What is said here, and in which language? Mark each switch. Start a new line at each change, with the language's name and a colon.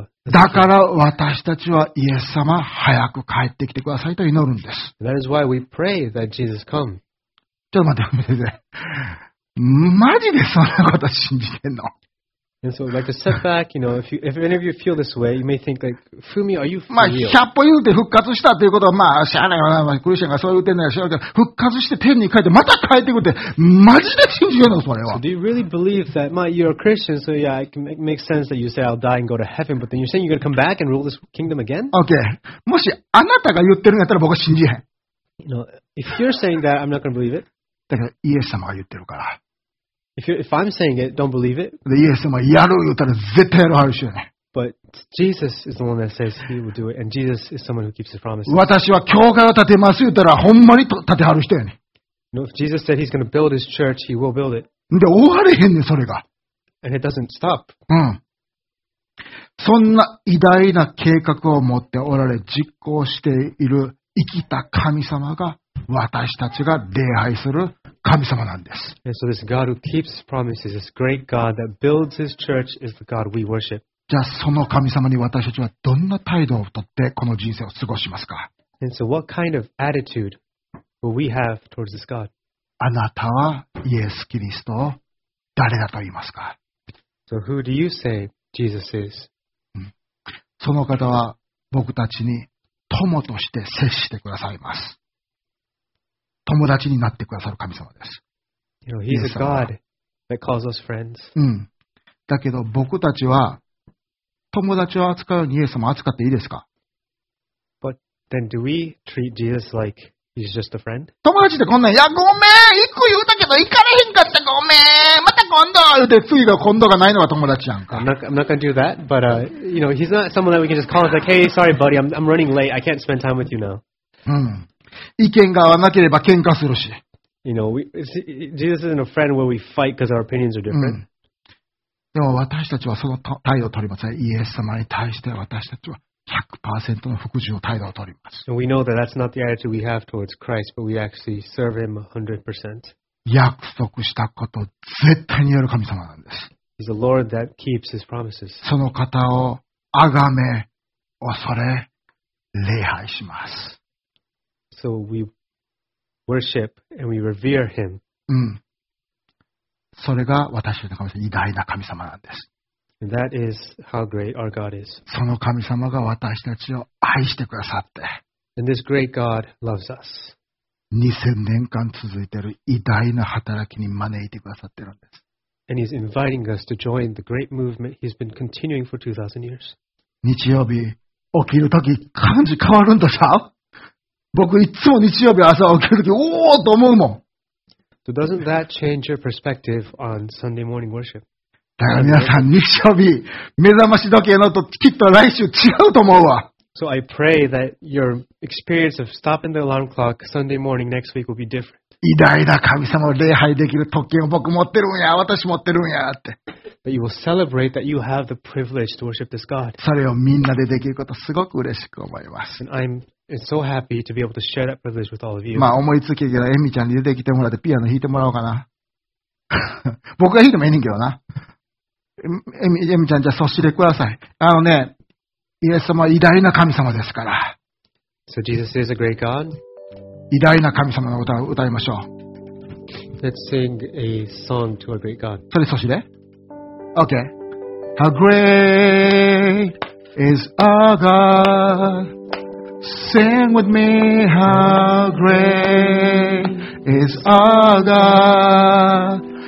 Japanese: だから私たちはイエス様早く帰ってきてくださいと祈るんです。
English: That is why we pray that Jesus come.
Japanese: ちょっと待って、先生。マジでそんなこと信じてんの？
English: And so, like a setback, you know, if any of you feel this way, you may think like, Fumi, are you for real?
Japanese: まあ、100歩言うて復活したということは、まあ、しゃあないよな、まあ、クリスチャンがそう言ってんのやしゃあないけど、復活して天に帰って、また帰ってくって、マジで信じるの、それは。
English: So, do you really believe that, まあ、you're a Christian, so yeah, it makes sense that you say, I'll die and go to heaven, but then you're saying you're going to come back and rule this kingdom again? Okay.
Japanese: もし、あなたが言ってるんやったら僕は信じへん。
English: You know, if you're saying that, I'm not going to believe it.
Japanese: だから、イエス様が言ってるから。
English: If I'm saying it, don't believe it.
Japanese: でイエス様やる言ったら絶対やるはるしよね。
English: But Jesus is the one that says he will do it, and Jesus is someone who keeps his promises.
Japanese: 私は教会を建てます言ったらほんまに建てはる人やね。
English: No, if Jesus said he's going to build his church, he will build it.
Japanese: で終われへんねそれが。
English: And it doesn't stop. うん。
Japanese: そんな偉大な計画を持っておられ実行している生きた神様が私たちが礼拝する神様なんです。
English: And so this God who keeps promises, this great God that builds his church is the God we worship.
Japanese: じゃあその神様に私たちはどんな態度をとってこの人生を過ごしますか？
English: And so what kind of attitude will we have towards this God?
Japanese: あなたはイエス・キリストを誰だと言いますか？
English: So who do you say Jesus is?
Japanese: その方は僕たちに友として接してくださいます。友達になってくださる神様です。
English: You know, he's a God that calls us friends. うん。
Japanese: だけど僕たちは友達を扱うようにイエス様扱っていいですか？
English: But then do we treat Jesus like he's just a friend?
Japanese: 友達ってこんなん、いやごめん、行く言うたけど行かれへんかったごめん、また今度言うて次の今度がないのが友達やんか。
English: I'm not gonna do that, but you know, he's not someone that we can just call like, hey, sorry, buddy, I'm running late, I can't spend time with you now. うん。
Japanese: 意見が合わなければ喧嘩するし。
English: You know, Jesus isn't a friend where we fight because our opinions are different.、うん、
Japanese: でも私たちはその態度を取りません。イエス様に対して私たちは 100% の服従の態度を取ります。
English: And we know that that's not the attitude we have towards Christ, but we actually serve him 100%.
Japanese: 約束したこと絶対にやる神様なんです。
English: He's the Lord that keeps his promises.
Japanese: その方を崇め、恐れ、礼拝します。
English: So we worship and we revere him. うん。
Japanese: それが私の神様、偉大な神様なんです。
English: And that is how great our God is.
Japanese: その神様が私たちを愛してくださって。
English: And this great God loves us.
Japanese: 2000年間続いている偉大な働きに招いてくださっているんです。
English: And he's inviting us to join the great movement he's been continuing for 2000 years.
Japanese: 日曜日起きるとき感じ変わるんだぞ。僕いつも日曜日朝起きるときおおと思うもん。
English: So doesn't that change your perspective on Sunday morning worship?
Japanese: だから皆さん日曜日目覚まし時計のときっと来週違うと思うわ。
English: So I pray that your experience of stopping the alarm clock Sunday morning next week will be different.
Japanese: 偉大な神様を礼拝できる特権を僕持ってるんや、私持ってるんやって。
English: But you will celebrate that you have the privilege to worship this God.
Japanese: それをみんなでできることすごく嬉しく思います。
English: And I'm so happy to be able to share that privilege with all of you.
Japanese: まあ思いつきけどエミちゃんに出てきてもらってピアノ弾いてもらおうかな。僕が弾いてもいいねんけどな。エミちゃんじゃあそしてください。あのね、イエス様は偉大な神様ですから。
English: So Jesus is a great God.
Japanese: 偉大な神様の歌を歌いましょう。
English: Let's sing a song to a great God.
Japanese: それそして
English: ？Okay. How great is our God? Sing with me, how great is our God.